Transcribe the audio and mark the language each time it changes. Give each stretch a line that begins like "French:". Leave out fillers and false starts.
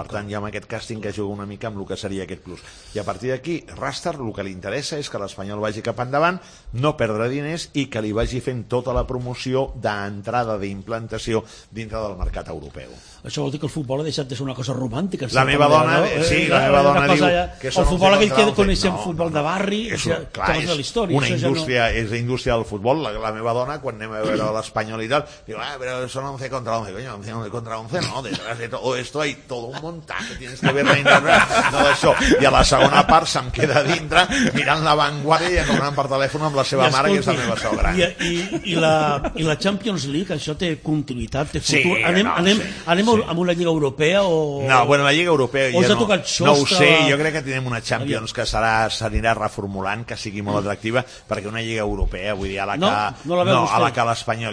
Catalan: Per tant, ja en aquest càsting que juga una mica amb el que seria aquest plus. I a partir d'aquí, Rastar, el que li interessa és que l'Espanyol vagi cap endavant, no perdre diners i que li vagi fent tota la promoció d'entrada, d'implantació dintre del mercat europeu. Això vol dir que el futbol ha deixat de ser una cosa romàntica. La meva dona, no? Sí, la meva dona diu... Que el futbol aquell que coneixem, no, futbol de barri, és una, ja, clar, és de la història. Una indústria, no... És la indústria del futbol. La meva dona, quan anem a veure l'Espanyol i tal, diu, però són 11 contra 11.
Spanish: Coño, 11 contra 11, no, detrás de todo esto hay todo un montaje, tienes que ver la internet,
Catalan: no d'això. I a la segona part se'm queda a dintre mirant la Vanguardia i anant per telèfon amb la seva I mare, que és la meva sogra. I la Champions League, això té continuïtat, té futur? Sí, amb una lliga europea o... No, bueno, la lliga europea... O s'ha tocat xosta... No ho sé, jo crec que tindrem una Champions que s'anirà reformulant, que sigui molt atractiva, perquè una lliga europea, vull dir, a la que l'Espanyol...